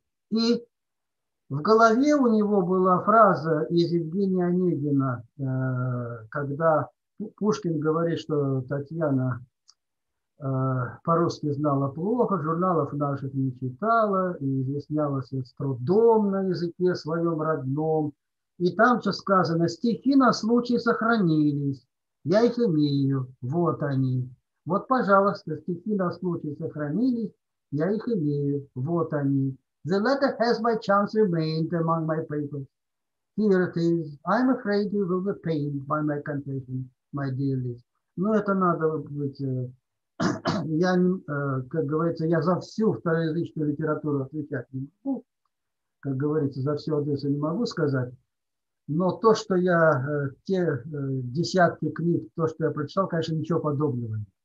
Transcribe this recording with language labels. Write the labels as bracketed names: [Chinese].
[Russian] И в голове у него была фраза из Евгения Онегина, когда Пушкин говорит, что Татьяна по-русски знала плохо, журналов наших не читала, и изъяснялась с трудом на языке своем родном. И там же сказано, стихи на случай сохранились, я их имею, вот они. Вот, пожалуйста, стихи на случай сохранились, я их имею, вот они. [English] The letter has by chance remained among my papers. Here it is. I'm afraid you will be pained by my confession, my dear Liz. [Russian] Ну, это надо быть... Я, как говорится, я за всю второязычную литературу отвечать не могу. Как говорится, за всю Одессу не могу сказать. Но то, что я, те десятки книг, то, что я прочитал, конечно, ничего подобного.